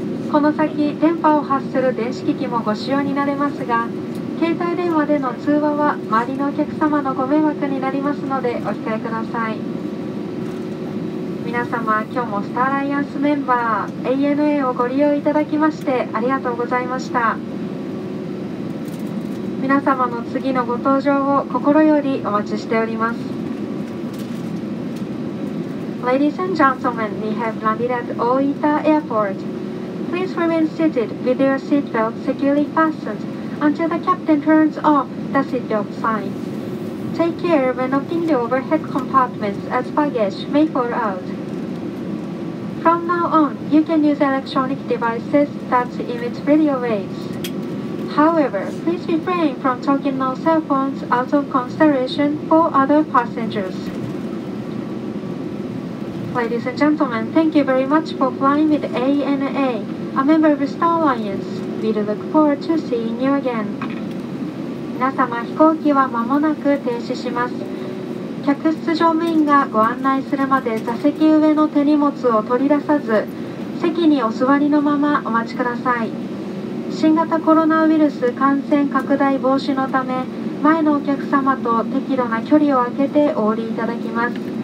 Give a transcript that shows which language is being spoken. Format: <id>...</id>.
<ja>この先電波を発する電子機器もご使用になれますが、携帯電話での通話は周りのお客様のご迷惑になりますのでお控えください。皆様、今日もスターライアンスメンバー ANA をご利用いただきましてありがとうございました。皆様の次のご搭乗を心よりお待ちしております。</ja> <en>Ladies and gentlemen, we have landed at Oita Airport. Please remain seated with your seatbelt securely fastened until the captain turns off the seatbelt sign. Take care when opening the overhead compartments as baggage may fall out. From now on, you can use electronic devices that emit radio waves. However, please refrain from talking on cell phones out of consideration for other passengers. Ladies and gentlemen, thank you very much for flying with ANA, a member of Star Alliance. We look forward to seeing you again.</en> <ja>皆様、飛行機は間もなく停止します。客室乗務員がご案内するまで座席上の手荷物を取り出さず、席にお座りのままお待ちください。新型コロナウイルス感染拡大防止のため、前のお客様と適度な距離を空けてお降りいただきます。</ja>